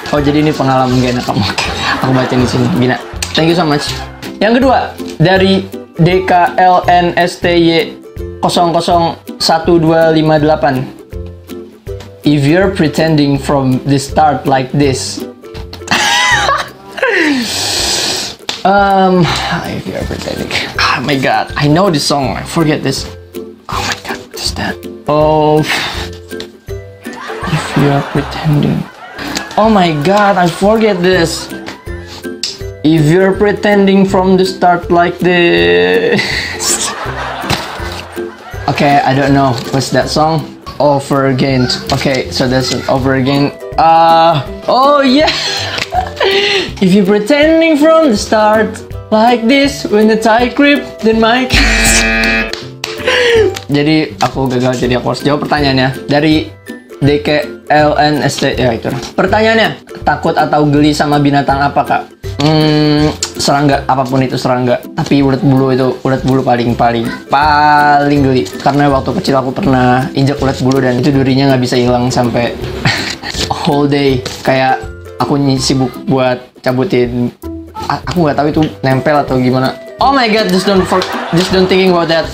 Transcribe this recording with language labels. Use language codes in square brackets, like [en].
[id] Oh, jadi ini pengalaman Gina kamu. Okay, aku bacain di sini, Gina. [en] Thank you so much. [id] Yang kedua dari DKLNSTY001258. [en] If you're pretending from the start like this. If you're pretending. Oh my god, I know this song. I forget this. Oh my god, what is that? Oh. If you are pretending. Oh my god, I forget this. If you're pretending from the start like this. Okay, I don't know. What's that song? Over again. Okay, so that's over again. Oh yeah. If you're pretending from the start like this when the tight grip then mic. [id] Jadi aku gagal, jadi aku harus jawab pertanyaannya dari DKLNST. Ya itu pertanyaannya. Takut atau geli sama binatang apa, Kak? Serangga, apapun itu serangga. Tapi ulat bulu itu, ulat bulu paling geli. Karena waktu kecil aku pernah injek ulat bulu dan itu durinya nggak bisa hilang sampai [en] whole day. [id] Kayak aku sibuk buat cabutin, aku nggak tahu itu nempel atau gimana. [en] Oh my god, just don't thinking about that.